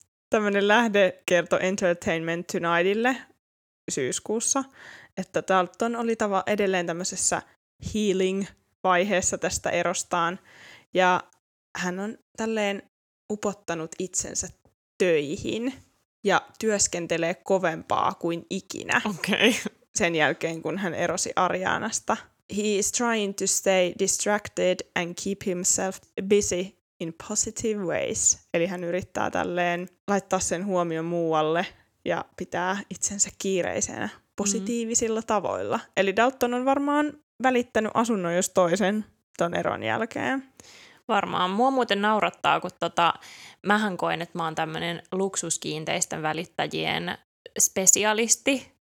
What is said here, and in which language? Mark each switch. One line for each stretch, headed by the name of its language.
Finnish: Tällainen lähde kertoi Entertainment Tonightille syyskuussa, että Dalton oli edelleen tämmöisessä healing-vaiheessa tästä erostaan. Ja hän on tälleen upottanut itsensä töihin ja työskentelee kovempaa kuin ikinä.
English: Okay.
Finnish: Sen jälkeen, kun hän erosi Arianasta.
English: He is trying to stay distracted and keep himself busy in positive ways.
Finnish: Eli hän yrittää tälleen laittaa sen huomion muualle ja pitää itsensä kiireisenä positiivisilla tavoilla. Eli Dalton on varmaan välittänyt asunnon jos toisen ton eron jälkeen. Varmaan. Mua muuten naurattaa, kun mähän koen, että mä oon tämmönen luksuskiinteisten välittäjien spesialisti.